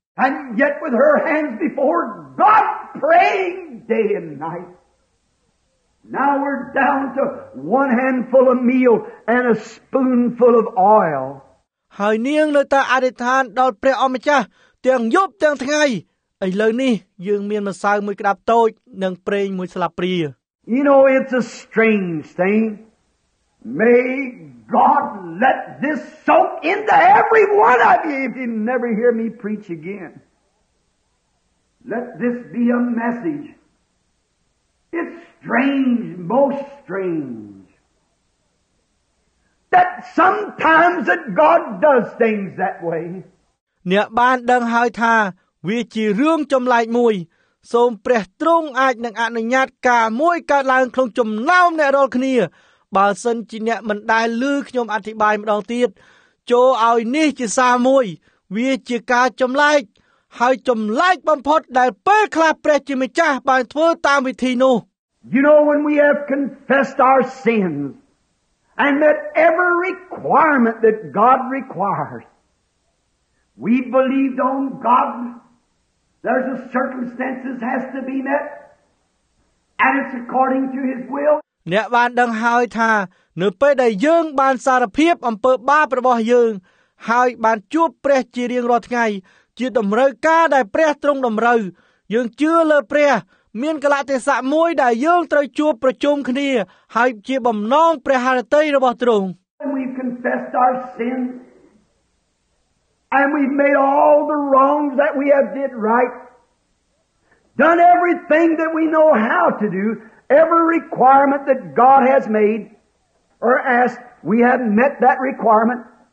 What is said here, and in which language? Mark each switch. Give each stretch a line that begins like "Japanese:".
English: And yet with her hands before God praying day and night Now we're down to one handful of meal and a spoonful of oil
Khmer: ហើយនាងនៅតែអធិដ្ឋានដល់ព្រះអម្ចាស់ទាំងយប់ទាំងថ្ងៃឥឡូវនេះយើងមានម្សៅមួយក្ដាប់តូចនិងប្រេងមួយស្លាបព្រា
English: You know it's a strange thing May God let this soak into every one of you if you never hear me preach again. Let this be a message. It's strange, most strange, that sometimes that God does things that way.
Khmer: អ្នកបានដឹងហើយថាវាជារឿងចម្លែកមួយសូមព្រះទ្រង់អាចនឹងអនុញ្ញាតការមួយកើតឡើងក្នុងចំណោមអ្នករាល់គ្នាបើសិនជាអ្នកមិនដែលឮខ្ញុំអធិប្បាយម្ដងទៀតចូលឲ្យនេះជាសារមួយវាជាការចម្លែកហើយចម្លែកបំផុតដែលពេលខ្លះព្រះជាម្ចាស់បានធ្វើតាមវិធីនោះ
English: You know when we have confessed our sins and met every requirement that God requires we believed on God there's a circumstances has to be met and it's according to his will
Khmer: អ្នកបានដឹងហើយថានៅពេលដែលយើងបានសារភាពអំពើបាបរបស់យើងហើយបានជួបព្រះជារៀងរាល់ថ្ងៃជាតម្រូវការដែលព្រះទ្រង់តម្រូវយើងជឿលើព្រះមានកលៈទេសៈមួយដែលយើងត្រូវជួបប្រជុំគ្នាហើយជាបំណងព្រះហឫទ័យរបស់ទ្រង់
English: We've confessed our sin and we've made all the wrongs that we have did right done everything that we know how to doEvery requirement that God has made or asked We hadn't met that requirement.